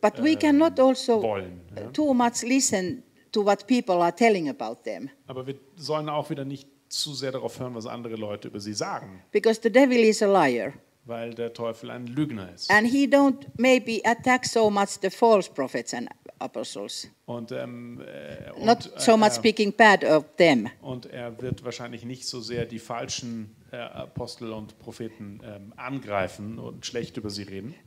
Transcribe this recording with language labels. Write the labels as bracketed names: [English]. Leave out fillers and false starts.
[English] But we cannot also too much listen to what people are telling about them. [German] Aber wir sollen auch wieder nicht zu sehr darauf hören, was andere Leute über sie sagen. [English] Because the devil is a liar. [German] Weil der Teufel ein Lügner ist. [English] And he don't maybe attack so much the false prophets and apostles. [German] Und, [English] not so much speaking bad of them. [German] Und er wird wahrscheinlich nicht so sehr die falschen Apostel und Propheten angreifen und schlecht über sie reden.